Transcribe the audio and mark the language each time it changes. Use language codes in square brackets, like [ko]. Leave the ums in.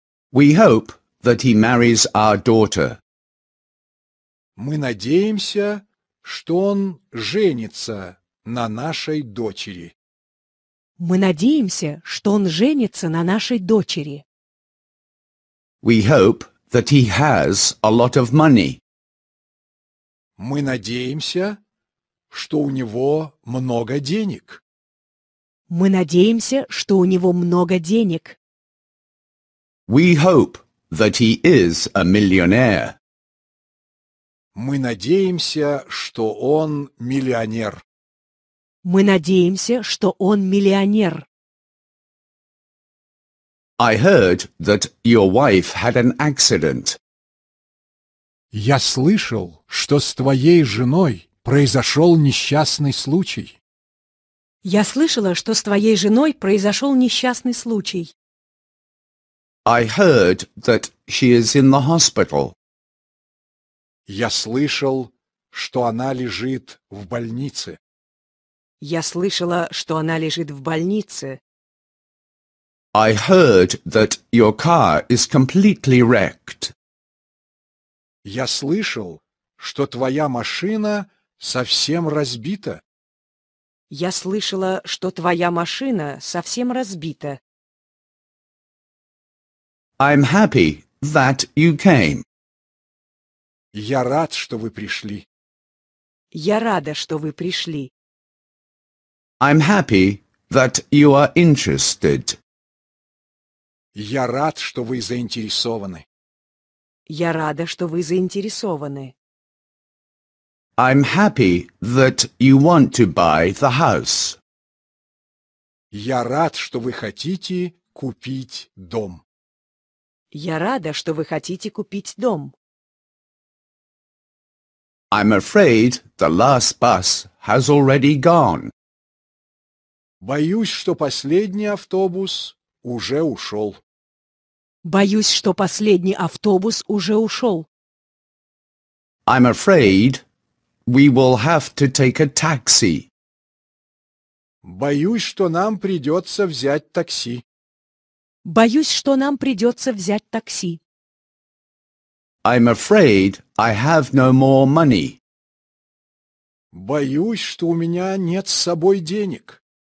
[en] We hope that he marries our daughter. [ru] Мы надеемся, что он женится на нашей дочери. Мы надеемся, что он женится на нашей дочери. [en] We hope that he has a lot of money. [ru] Мы надеемся, что у него много денег. Мы надеемся, что у него много денег. [en] We hope that he is a millionaire. [ru] Мы надеемся, что он миллионер. Мы надеемся, что он миллионер. [en] I heard that your wife had an accident. [ru] Я слышал, что с твоей женой произошел несчастный случай. Я слышала, что с твоей женой произошел несчастный случай. [en] I heard that she is in the hospital. [ru] Я слышал, что она лежит в больнице. Я слышала, что она лежит в больнице. [en] I heard that your car is completely wrecked. [ru] Я слышал, что твоя машина совсем разбита. Я слышала, что твоя машина совсем разбита. [en] I'm happy that you came. [ru] Я рад, что вы пришли. Я рада, что вы пришли. [en] I'm happy that you are interested. [ru] Я рад, что вы заинтересованы. Я рада, что вы заинтересованы. [en] I'm happy that you want to buy the house. [ru] Я рад, что вы хотите купить дом. Я рада, что вы хотите купить дом. [en] I'm afraid the last bus has already gone. [ru] Боюсь, что последний автобус уже ушел. Боюсь, что последний автобус уже ушел. [en] I'm afraid we will have to take a taxi. [ru] Боюсь, что нам придется взять такси. Боюсь, что нам придется взять такси. [en] I'm afraid I have no more money. [ru] Боюсь, что у меня нет с собой денег.